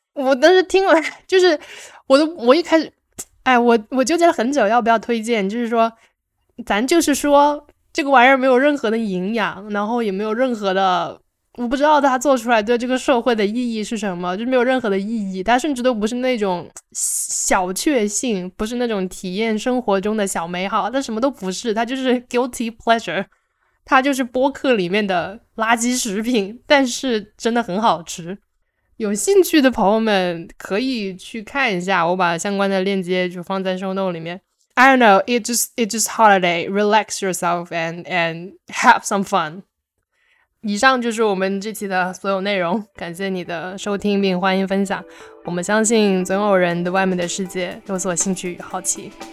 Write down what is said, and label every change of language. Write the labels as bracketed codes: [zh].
[zh] 我当时听了就是我一开始我纠结了很久要不要推荐，就是说咱就是说这个玩意儿没有任何的营养，然后也没有任何的，我不知道他做出来对这个社会的意义是什么，就没有任何的意义，他甚至都不是那种小确幸，不是那种体验生活中的小美好，他什么都不是，他就是 guilty pleasure， 他就是播客里面的垃圾食品，但是真的很好吃。有兴趣的朋友们可以去看一下，我把相关的链接就放在 show note 里面。 [en] I don't know, it's just holiday, relax yourself and have some fun。 [zh] 以上就是我们这期的所有内容，感谢你的收听并欢迎分享。我们相信总有人对外面的世界有所兴趣与好奇。